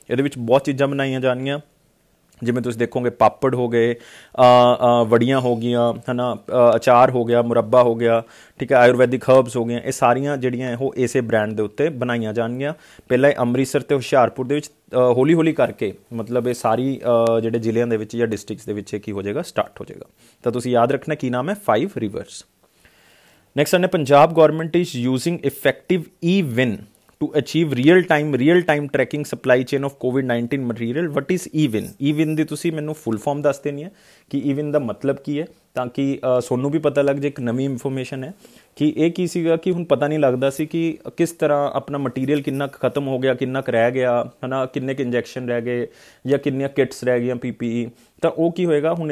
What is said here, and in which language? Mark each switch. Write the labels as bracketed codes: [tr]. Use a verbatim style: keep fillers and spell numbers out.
[pa] ਇਹਦੇ ਵਿੱਚ ਬਹੁਤ ਚੀਜ਼ਾਂ ਬਣਾਈਆਂ ਜਾਣੀਆਂ ਜਿਵੇਂ ਤੁਸੀਂ ਦੇਖੋਗੇ ਪਾਪੜ ਹੋ ਗਏ, ਵੜੀਆਂ ਹੋ ਗਈਆਂ, ਹੈ ਨਾ, ਅਚਾਰ ਹੋ ਗਿਆ, ਮੁਰੱਬਾ ਹੋ ਗਿਆ, ਠੀਕ ਹੈ, ਆਯੁਰਵੈਦਿਕ ਹਰਬਸ ਹੋ ਗਈਆਂ, ਇਹ ਸਾਰੀਆਂ ਜਿਹੜੀਆਂ ਉਹ ਇਸੇ ਬ੍ਰਾਂਡ ਦੇ ਉੱਤੇ ਬਣਾਈਆਂ ਜਾਣਗੀਆਂ। ਪਹਿਲਾਂ ਇਹ ਅੰਮ੍ਰਿਤਸਰ ਅਤੇ ਹੁਸ਼ਿਆਰਪੁਰ ਦੇ ਵਿੱਚ ਹੌਲੀ ਹੌਲੀ ਕਰਕੇ ਮਤਲਬ ਇਹ ਸਾਰੀ ਅ, ਜਿਹੜੇ ਜ਼ਿਲ੍ਹਿਆਂ ਦੇ ਵਿੱਚ ਜਾਂ ਡਿਸਟ੍ਰਿਕਟਸ ਦੇ ਵਿੱਚ ਇਹ ਕੀ ਹੋ ਜਾਏਗਾ? ਸਟਾਰਟ ਹੋ ਜਾਏਗਾ। ਤਾਂ ਤੁਸੀਂ ਯਾਦ ਰੱਖਣਾ ਕੀ ਨਾਮ ਹੈ? Five reverse. [en] Next ਆਨੇ Punjab government is using effective e VIN to achieve real time real time tracking supply chain of covid nineteen material. what is even even [pa] ਦੀ ਤੁਸੀਂ ਮੈਨੂੰ full form ਦੱਸ ਦੇਣੀ ਹੈ ਕਿ even ਦਾ ਮਤਲਬ ਕੀ ਹੈ, ਤਾਂ ਕਿ ਸੋਨੂੰ ਵੀ ਪਤਾ ਲੱਗ ਜੇ। ਇੱਕ ਨਵੀਂ ਇਨਫੋਰਮੇਸ਼ਨ ਹੈ ਕਿ ਇਹ ਕੀ ਸੀਗਾ ਕਿ ਹੁਣ ਪਤਾ ਨਹੀਂ ਲੱਗਦਾ ਸੀ ਕਿ ਕਿਸ ਤਰ੍ਹਾਂ ਆਪਣਾ ਮਟੀਰੀਅਲ ਕਿੰਨਾ ਕੁ ਖਤਮ ਹੋ ਗਿਆ, ਕਿੰਨਾ ਕੁ ਰਹਿ ਗਿਆ, ਹੈ ਨਾ, ਕਿੰਨੇ ਕੁ ਇੰਜੈਕਸ਼ਨ ਰਹਿ ਗਏ ਜਾਂ ਕਿੰਨੀਆਂ ਕਿਟਸ ਰਹਿ ਗਈਆਂ ਪੀ ਪੀ ਈ। ਤਾਂ ਉਹ ਕੀ ਹੋਏਗਾ ਹੁਣ?